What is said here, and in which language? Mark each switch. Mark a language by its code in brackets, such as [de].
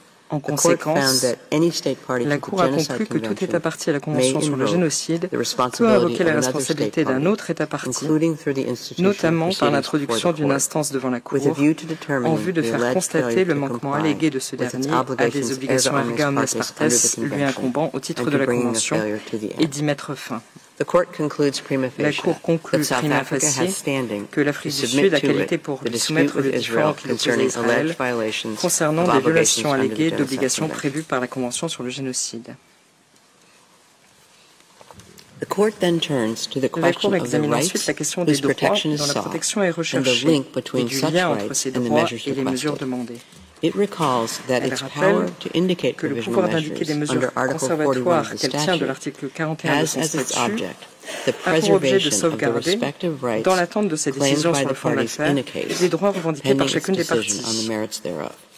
[fr] En conséquence, la Cour a conclu que tout État parti à la Convention sur le génocide peut invoquer la responsabilité d'un autre État parti, notamment par l'introduction d'une instance devant la Cour, en vue de faire constater le manquement allégué de ce dernier à des obligations erga omnes partes lui incombant au titre de la Convention et d'y mettre fin. [en] The court concludes prima facie [fr] la Cour conclut [en] that South Africa has standing [fr] que l'Afrique du Sud a qualité pour soumettre le différend qui concerne les [en] alleged violations [fr] concernant des violations alléguées d'obligations prévues par la Convention sur le génocide. [en] The court then turns to the question of the rights [fr] la question des droits dont la protection est recherchée [en] and the link between such rights and the measures [fr] et les mesures demandées. [en] It recalls that its power to indicate provisional measures under Article 41 of the statute has as its object the preservation of the respective rights claimed by the parties in a case, pending its decision on the merits thereof.